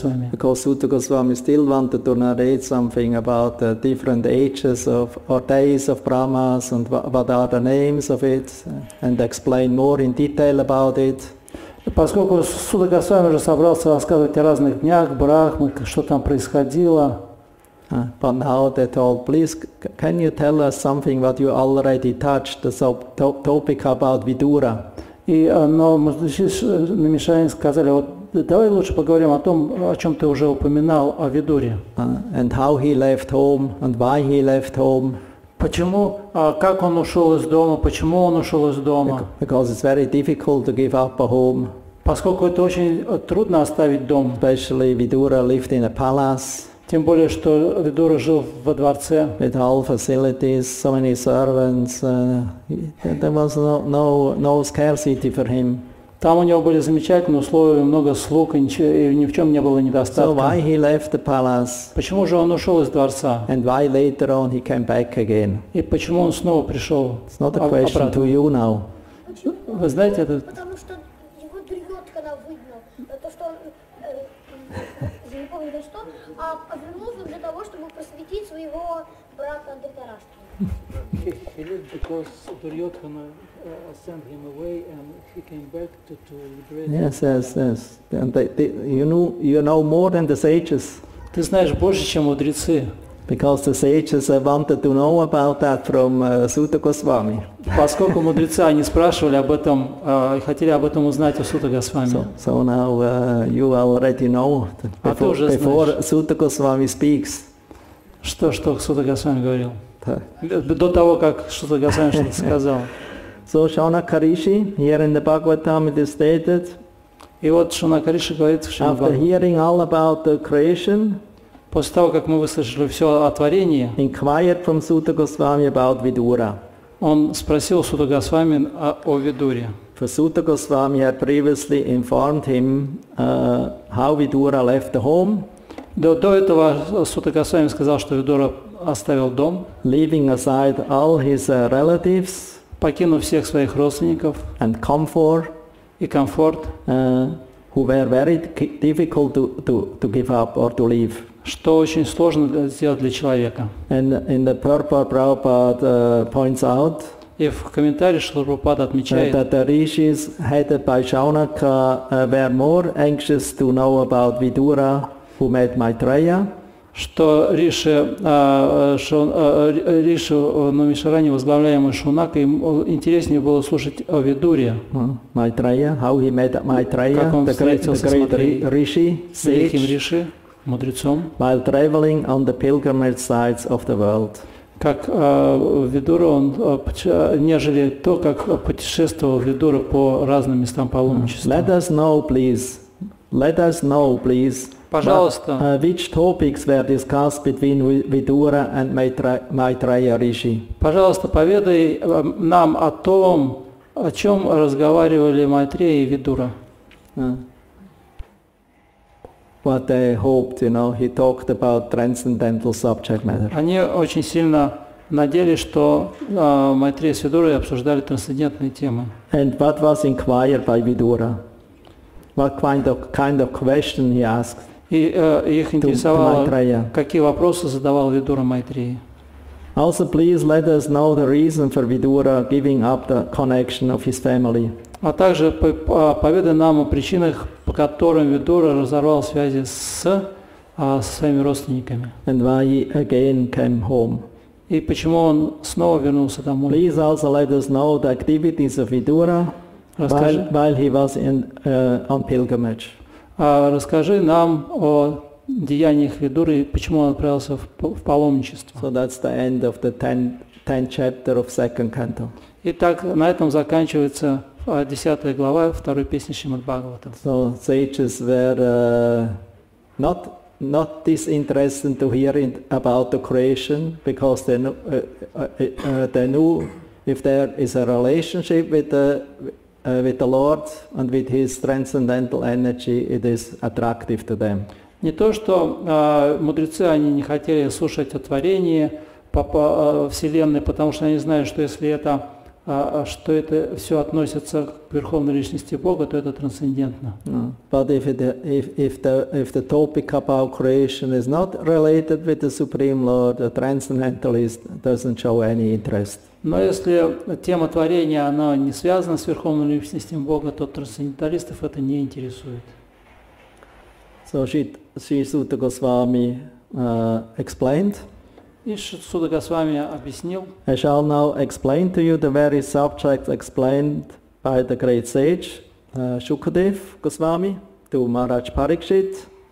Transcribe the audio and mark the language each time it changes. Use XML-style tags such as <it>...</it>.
<en>Because Sutta Goswami still wanted to narrate something about the different ages of or days of Brahmas and what are the names of it and explain more in detail about it.</en> <ru>Поскольку Сута Госвами уже собрался рассказывать о разных днях Брахмы, что там происходило.</ru> <en>But now they told, please, can you tell us something what you already touched the topic about Vidura?</en> <ru>И но Наимишарани сказали вот. Давай лучше поговорим о том, о чем ты уже упоминал, о Видуре.</ru> <en>And how he left home, and why he left home.</en> <ru>Почему, как он ушел из дома, почему он ушел из дома?</ru> <en>Because it's very difficult to give up a home.</en> <ru>Поскольку это очень трудно оставить дом.</ru> <en>Especially Vidura lived in a palace.</en> <ru>Тем более, что Видура жил во дворце.</ru> <en>With all facilities, so many servants, there was no scarcity for him.</en> <ru>Там у него были замечательные условия, много слуг, и ни в чем не было недостатка.</ru> <en>So why he left the palace?</en> <ru>Почему же он ушел из дворца?</ru> <en>And why later on he came back again?</en> <ru>И почему он снова пришел?</ru> <en>It's not a question</en> <ru>обратно.</ru> <en>To you now.</en> <ru>Вы знаете это? Потому что его дрет, когда выгнал. То, что я не помню, что, а вернулся для того, чтобы просветить своего брата Дритарашки.</ru> <en>He left because Duryodhana sent him away, and he came back to liberate. Yes. And you know more than the sages.</en> <ru>Ты знаешь больше, чем мудрецы.</ru> <en>Because the sages wanted to know about that from Sutta Goswami.</en> <ru>Поскольку мудрецы они спрашивали об этом, хотели об этом узнать у Сута Госвами.</ru> <en>So now you already know that before Sutta Goswami speaks.</en> <ru>Что Сута Госвами говорил? До того, как Шута Госвами что-то сказал.</ru> <en>So Shonakarishi, here in the Bhagavatam it is stated.</en> <ru>И вот Шонакариши говорит, что</ru> <en>after hearing all about the creation,</en> <ru>после того, как мы выслушали все о творении,</ru> <en>inquired from Sutta Goswami about Vidura.</en> <ru>Он спросил Сута Госвами о Видуре.</ru> <en>For Sutta Goswami had previously informed him how Vidura left the home.</en> <ru>До этого Сута Госвами сказал, что Видура оставил дом,</ru> <en>leaving aside all his relatives,</en> <ru>покинув всех своих родственников,</ru> <en>and comfort,</en> <ru>и комфорт,</ru> <en>who were very difficult to give up or to leave,</en> <ru>что очень сложно сделать для человека.</ru> <en>And in the purport, Prabhupada points out,</en> <ru>и в комментариях Шрила Прабхупада отмечает,</ru> <en>that the rishis headed by Shaunaka were more anxious to know about Vidura, who met Maitreya.</en> <ru>что Риши, Риши Номишарани, возглавляемый Шунакой, интереснее было слушать о Видуре.</ru> <en>Майтрея, how he met Майтрея,</en> <ru>как он встретился с великим Риши, мудрецом,</ru> <en>while traveling on the pilgrimage sites of the world.</en> <ru>Как Видура, он, нежели то, как путешествовал Видура по разным местам паломничества.</ru> <en>Let us know, please. Let us know, please.</en> <ru>Пожалуйста.</ru> <en>But, which topics were discussed between Vidura and Maitreya Rishi?</en> <ru>Пожалуйста, поведай нам о том, о чем разговаривали Майтрея и Видура.</ru> <en>What they hoped, you know, he talked about transcendental subject matter.</en> <ru>Они очень сильно надеялись, что Майтрея с Видурой обсуждали трансцендентные темы.</ru> <en>And what was inquired by Vidura? What kind of question he asked?</en> <ru>И их интересовало, какие вопросы задавал Видура Майтрее.</ru> <en>Also, please let us know the reason for Vidura giving up the connection of his family.</en> <ru>А также поведай нам о причинах, по которым Видура разорвал связи со своими родственниками.</ru> <en>And why he again came home.</en> <ru>И почему он снова вернулся домой.</ru> <en>Please also let us know the activities of Vidura while he was on pilgrimage.</en> <ru>Расскажи нам о деяниях Видуры, почему он отправился в паломничество.</ru> <en>So that's the end of the 10th chapter of second canto.</en> <ru>Итак, на этом заканчивается 10 глава второй песни Шримад-Бхагаватам.</ru> <en>So sages were not disinterested to hear about the creation, because they knew if there is a relationship with the Lord and with His transcendental energy, it is attractive to them.</en> <ru>Не то, что мудрецы они не хотели слушать о творении вселенной, потому что они знают, что если это что это все относится к Верховной Личности Бога, то это трансцендентно.</ru> <en>But if the topic about creation is not related with the Supreme Lord, the transcendentalist doesn't show any interest.</en> <ru>Но если тема творения она не связана с Верховной Личностью Бога, то трансценденталистов это не интересует.</ru> <en>So Sri Suta Goswami explained.</en> <ru>И Шри Сута Госвами объяснил.</ru> <en>I shall now explain to you the very subject explained by the great sage Shukadev Goswami to Maharaj Parikshit.</en>